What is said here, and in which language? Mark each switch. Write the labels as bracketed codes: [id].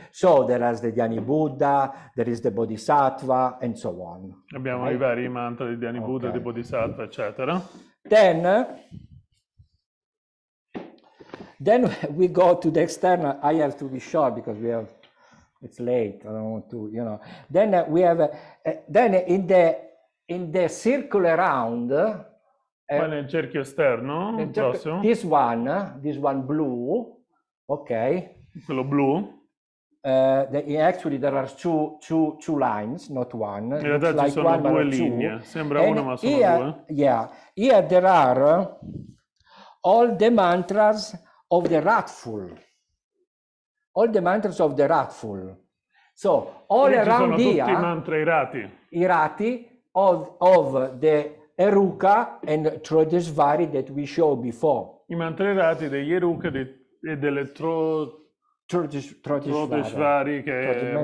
[en] So there is the Dhyani Buddha, there is the Bodhisattva, and so on. [it] Abbiamo i vari mantra di Dhyani Buddha, di Bodhisattva, eccetera. [en] Then we go to the external. I have to be sure because we have... It's late. I don't want to, you know. Then we have then in the circular round. [it] Poi nel cerchio esterno. Prossimo. [en] This one blue. Okay. [it] Quello blu. [en] Actually, there are two lines, not one. [it] In realtà [en] like [it] ci sono [en] one, [it] due linee. [en] Two. [it] Sembra una, ma sono due. Yeah. [en] Here there are all the mantras of the wrathful. All the mantras of the wrathful. So, all around here. [it] Ci sono tutti i mantra irati. [en] Irati of the Eruka and Trodesvari that we show before. [it] I mantra irati degli Eruka e delle Trodesvari che